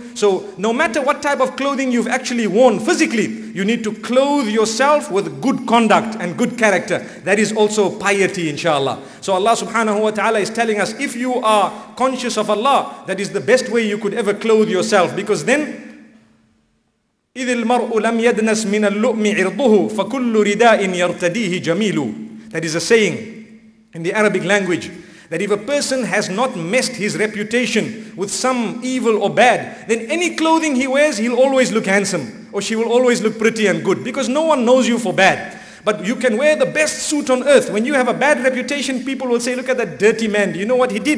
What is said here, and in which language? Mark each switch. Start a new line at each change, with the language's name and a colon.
English: So no matter what type of clothing you've actually worn physically, you need to clothe yourself with good conduct and good character. That is also piety, inshallah. So Allah subhanahu wa ta'ala is telling us, if you are conscious of Allah, that is the best way you could ever clothe yourself. Because then,
Arabic: إِذِ الْمَرْءُ لَمْ يَدْنَسْ مِنَ اللُّؤْمِ عِرْضُهُ فَكُلُّ رِدَاءٍ يَرْتَدِيهِ جَمِيلُ.
English: That is a saying in the Arabic language, that if a person has not messed his reputation with some evil or bad, then any clothing he wears, he'll always look handsome, or she will always look pretty and good, because no one knows you for bad. But you can wear the best suit on earth. When you have a bad reputation, people will say, look at that dirty man. Do you know what he did?